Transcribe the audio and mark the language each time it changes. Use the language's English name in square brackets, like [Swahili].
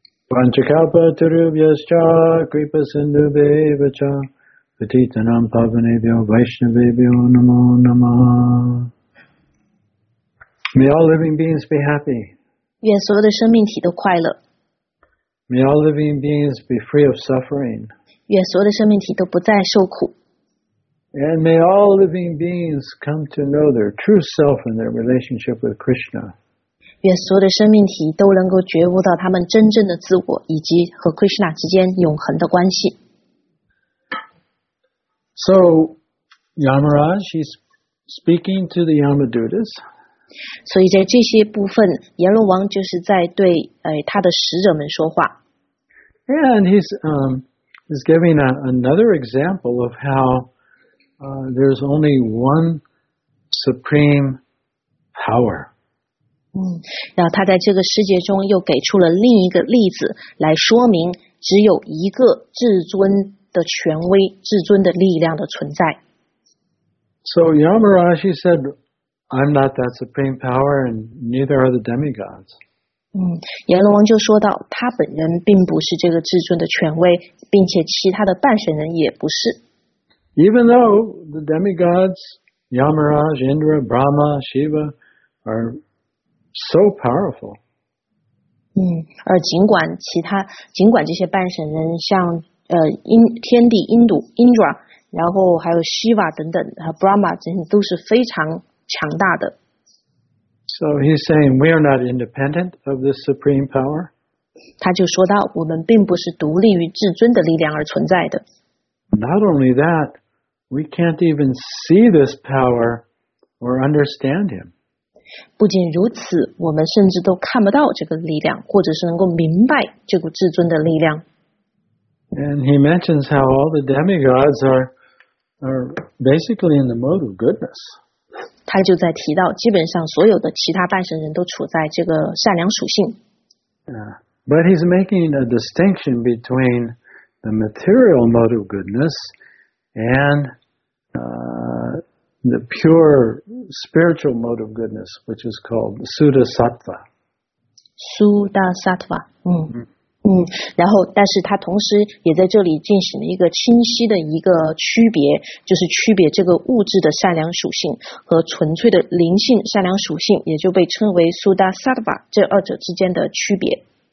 [Sanskrit] Panchakalpa Tarubhyascha, Kripa Sindhubhyascha, Patitanam Pavanebhyo, Vaishnavebhyo, Namo Namaha. [English] May all living beings be happy. [Chinese] 愿所有的生命体都快乐。 [English] May all living beings be free of suffering. [Chinese] 愿所有的生命体都不再受苦。 [English] And may all living beings come to know their true self and their relationship with Krishna. [Chinese] 愿所有的生命体都能够觉悟到他们真正的自我以及和 Krishna 之间永恒的关系。 [English] So, Yamaraj is speaking to the Yamadutas. [Chinese] 所以在这些部分，阎罗王就是在对他的使者们说话。 [English] And he's giving another example of how there's only one supreme power. [Chinese] 然后他在这个世界中又给出了另一个例子来说明只有一个至尊的权威、至尊的力量的存在。 [English] So Yamaraj, he said, I'm not that supreme power and neither are the demigods. [Chinese] 阎罗王就说到他本人并不是这个至尊的权威，并且其他的半神人也不是。 [English] Even though the demigods, Yamaraj, Indra, Brahma, Shiva, are so powerful. [Chinese] 而尽管这些半神人像天帝Indra, 然后还有 Shiva 等等和 Brahma 等等都是非常强大的。 [English] So he's saying we are not independent of this supreme power. [Chinese] 他就说到我们并不是独立于至尊的力量而存在的。 [English] Not only that,We can't even see this power or understand him. [Chinese] 不仅如此，我们甚至都看不到这个力量，或者是能够明白这股至尊的力量。 [English] And he mentions how all the demigods are are basically in the mode of goodness. [Chinese] 他就在提到，基本上所有的其他半神人都处在这个善良属性。 [English] But he's making a distinction between the material mode of goodness and the pure spiritual mode of goodness, which is called Sudha-sattva. [Chinese] Sudha-sattva, 然后但是他同时也在这里进行了一个清晰的一个区别，就是区别这个物质的善良属性和纯粹的灵性善良属性，也就被称为 Sudha-sattva 这二者之间的区别。